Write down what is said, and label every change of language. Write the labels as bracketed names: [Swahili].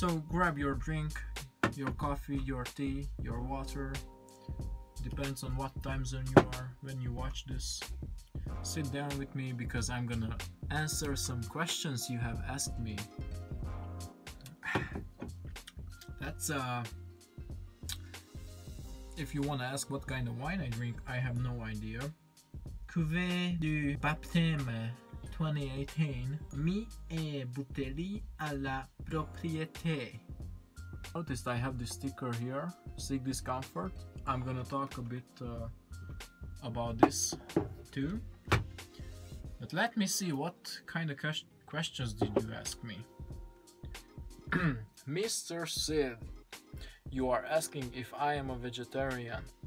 [English] Grab your drink, your coffee, your tea, your water, depends on what time zone you are when you watch this. Sit down with me because I'm gonna answer some questions you have asked me. If you wanna ask what kind of wine I drink, I have no idea. [French] Cuvée du baptême 2018, mis et bouteille à la propriété. [English] Noticed I have this sticker here, Seek Discomfort. I'm gonna talk a bit about this too. But let me see what kind of questions did you ask me. Mr. Sid, you are asking if I am a vegetarian.